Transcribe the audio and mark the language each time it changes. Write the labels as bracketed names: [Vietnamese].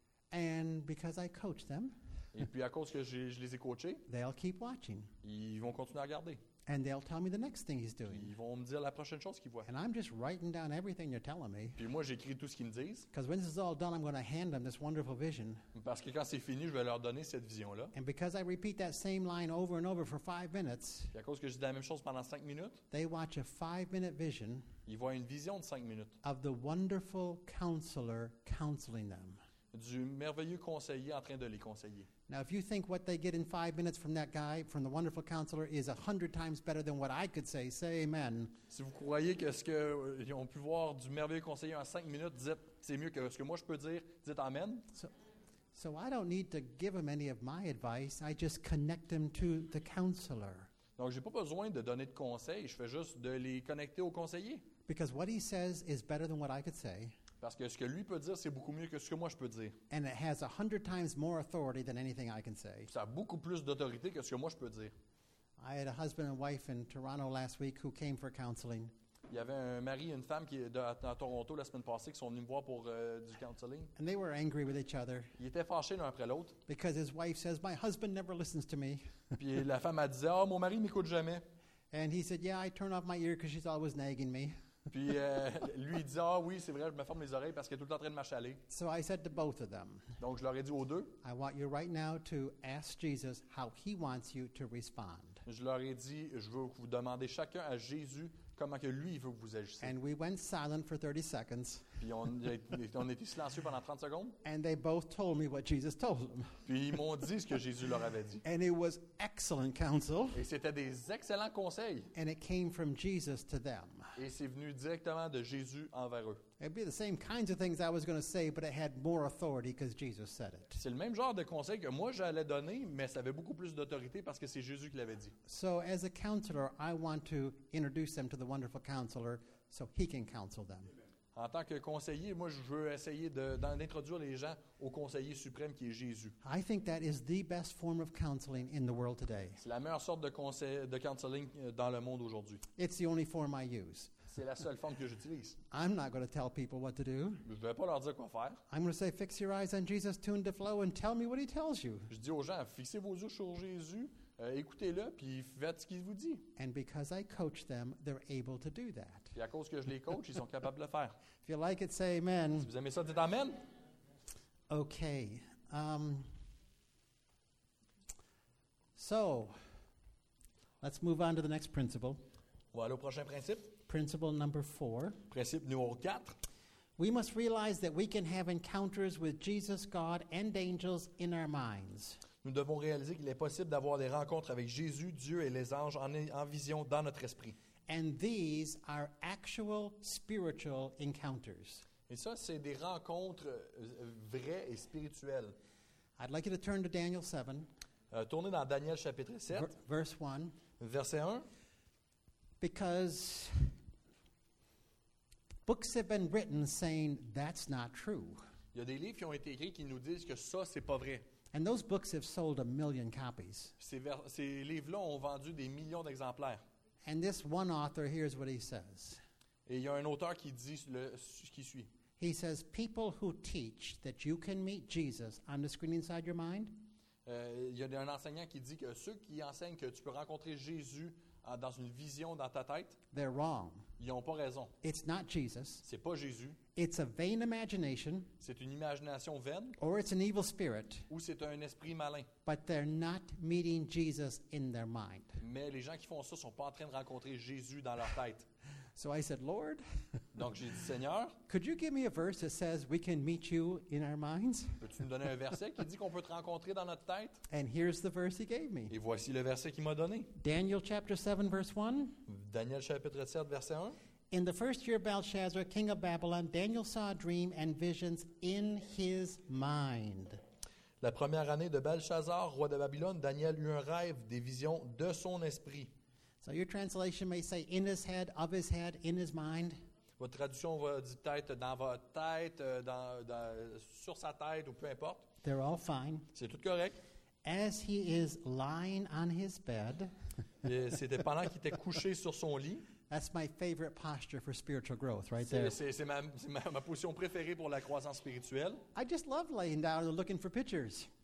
[English] And because I coach them. [French] Et puis à cause que je les ai coachés. [English] They'll keep watching. [French] Ils vont continuer à regarder. [English] And they'll tell me the next thing he's doing. [French] Ils vont me dire la prochaine chose qu'ils voient. [English] And I'm just writing down everything you're telling me. [French] Puis moi j'écris tout ce qu'ils me disent. [English] Because when this is all done, I'm going to hand them this wonderful vision. [French] Parce que quand c'est fini, je vais leur donner cette vision-là. [English] And because I repeat that same line over and over for 5 minutes. [French] Et à cause que je dis la même chose pendant 5 minutes. [English] They watch a 5 minute vision. [French] Ils voient une vision de 5 minutes. [English] Of the wonderful counselor counseling them. [French] Du merveilleux conseiller en train de les conseiller. [English] Now, if you think what they get in 5 minutes from that guy, from the wonderful counselor, is 100 times better than what I could say, say amen. [French] Si vous croyez que ce qu'ils ont pu voir du merveilleux conseiller en 5 minutes, dites, c'est mieux que ce que moi je peux dire, dites amen. [English] So I don't need to give them any of my advice, I just connect them to the counselor. [French] Donc, j'ai pas besoin de donner de conseils, je fais juste de les connecter au conseiller. [English] Because what he says is better than what I could say. [French] Parce que ce que lui peut dire, c'est beaucoup mieux que ce que moi je peux dire. [English] And it has 100 times more authority than anything I can say. [French] Ça a beaucoup plus d'autorité que ce que moi je peux dire. [English] I had a husband and wife in Toronto last week who came for counseling. [French] Il y avait un mari et une femme qui à Toronto la semaine passée qui sont venus me voir pour du counseling. [English] And they were angry with each other. [French] Ils étaient fâchés l'un après l'autre. [English] Because his wife says, my husband never listens to me. [French] Puis la femme a dit, oh, mon mari m'écoute jamais. [English] And he said, "Yeah, I turn off my ear because she's always nagging me." [French] Puis lui dit, "Ah oui, c'est vrai, je me ferme les oreilles parce qu'elle est tout le temps en train de m'achaler." [English] So I said to both of them. [French] Donc je leur ai dit aux deux. [English] I want you right now to ask Jesus how he wants you to respond. [French] Je leur ai dit, je veux que vous demandiez chacun à Jésus comment que lui veut que vous agissiez. [English] And we went silent for 30 seconds. [French] Puis on était silencieux pendant 30 secondes. [English] And they both told me what Jesus told them. [French] Puis ils m'ont dit ce que Jésus leur avait dit. [English] And it was excellent counsel. [French] Et c'était des excellents conseils. [English] And it came from Jesus to them. [French] Et c'est venu directement de Jésus envers eux. [English] It'd be the same kinds of things I was going to say, but it had more authority because Jesus said it. [French] C'est le même genre de conseil que moi j'allais donner, mais ça avait beaucoup plus d'autorité parce que c'est Jésus qui l'avait dit. [English] So as a counselor, I want to introduce them to the wonderful counselor so he can counsel them. [French] En tant que conseiller, moi je veux essayer d'introduire les gens au conseiller suprême qui est Jésus. [English] I think that is the best form of counseling in the world today. [French] C'est la meilleure sorte de counseling dans le monde aujourd'hui. [English] It's the only form I use. [French] C'est la seule forme que j'utilise. [English] I'm not going to tell people what to do. [French] Je vais pas leur dire quoi faire. [English] I'm going to say, fix your eyes on Jesus, tune to flow, and tell me what he tells you. [French] Je dis aux gens, fixez vos yeux sur Jésus, écoutez-le, puis faites ce qu'il vous dit. [English] And because I coach them, they're able to do that. [French] Et à cause que je les coach, ils sont capables de le faire. [English] If you like it, say amen. [French] Si vous aimez ça, dites amen. [English] Okay. So, let's move on to the next principle. [French] On va aller au prochain principe. [English] Principle number four. [French] Principe numéro quatre. [English] We must realize that we can have encounters with Jesus, God, and angels in our minds. [French] Nous devons réaliser qu'il est possible d'avoir des rencontres avec Jésus, Dieu et les anges en vision dans notre esprit. [English] And these are actual spiritual encounters. [French] Et ça, c'est des rencontres vraies et spirituelles. [English] I'd like you to turn to Daniel 7. [French] Tournez dans Daniel chapitre 7. [English] Verse 1. [French] Verset 1. [English] Because books have been written saying that's not true. [French] Il y a des livres qui ont été écrits qui nous disent que ça c'est pas vrai. [English] And those books have sold a million copies. [French] Ces livres-là ont vendu des millions d'exemplaires. [English] And this one author hears what he says. [French] Et il y a un auteur qui dit ce qui suit. [English] He says people who teach that you can meet Jesus on the screen inside your mind. [French] Il y a un enseignant qui dit que ceux qui enseignent que tu peux rencontrer Jésus dans une vision dans ta tête, [English] they're wrong. [French] Ils n'ont pas raison. [English] It's not Jesus. [French] C'est pas Jésus. [English] It's a vain imagination. [French] C'est une imagination vaine. [English] Or it's an evil spirit. [French] Ou c'est un esprit malin. [English] But they're not meeting Jesus in their mind. [French] Mais les gens qui font ça sont pas en train de rencontrer Jésus dans leur tête. [English] So I said, Lord. [French] Donc j'ai dit, Seigneur. [English] Could you give me a verse that says we can meet you in our minds? [French] Peux-tu nous donner un verset qui dit qu'on peut te rencontrer dans notre tête? [English] And here's the verse he gave me. [French] Et voici le verset qu'il m'a donné. [English] Daniel chapter 7 verse 1. [French] Daniel chapitre 7 verset 1. [English] In the first year of Belshazzar, king of Babylon, Daniel saw a dream and visions in his mind. [French] La première année de Belshazzar, roi de Babylone, Daniel eut un rêve, des visions de son esprit. [English] So your translation may say in his head, of his head, in his mind. [French] Votre traduction va dire peut-être dans votre tête, sur sa tête ou peu importe. [English] They're all fine. [French] C'est tout correct. [English] As he is lying on his bed. [French] Et c'était pendant qu'il était couché sur son lit. [English] That's my favorite posture for spiritual growth, right there. [French] C'est ma position préférée pour la croissance spirituelle. [English] I just love laying down and looking for pictures.